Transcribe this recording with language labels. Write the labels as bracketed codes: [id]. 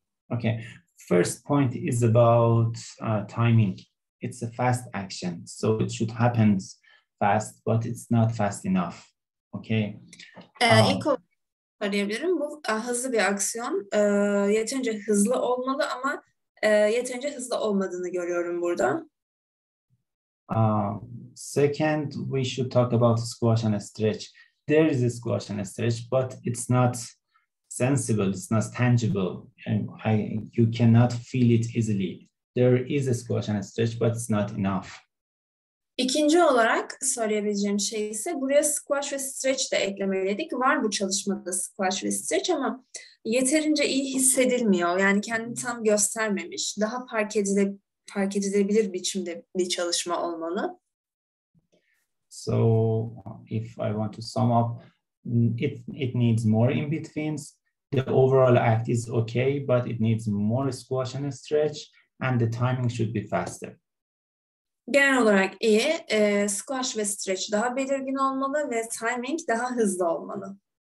[en] Okay, first point is about timing. It's a fast action, so it should happen fast, but it's not fast enough. Okay. [tr] İlk olarak söyleyebilirim. Bu hızlı bir aksiyon. Yeterince hızlı olmalı ama yeterince hızlı olmadığını görüyorum burada. [en] Second, we should talk about squash and stretch. There is a squash and a stretch, but it's not sensible, it's not tangible, and you cannot feel it easily. There is a squash and a stretch, but it's not enough. [tr] İkinci olarak söyleyebileceğim şey ise buraya squash ve stretch de eklemeliydik. Var bu çalışmada squash ve stretch ama yeterince iyi hissedilmiyor. Yani kendini tam göstermemiş. Daha fark edilebilir biçimde bir çalışma olmalı. [en] So if I want to sum up, it needs more in betweens. The overall act is okay, but it needs more squash and stretch, and the timing should be faster. [tr] Genel olarak iyi, squash ve stretch daha belirgin olmalı ve timing daha hızlı olmalı.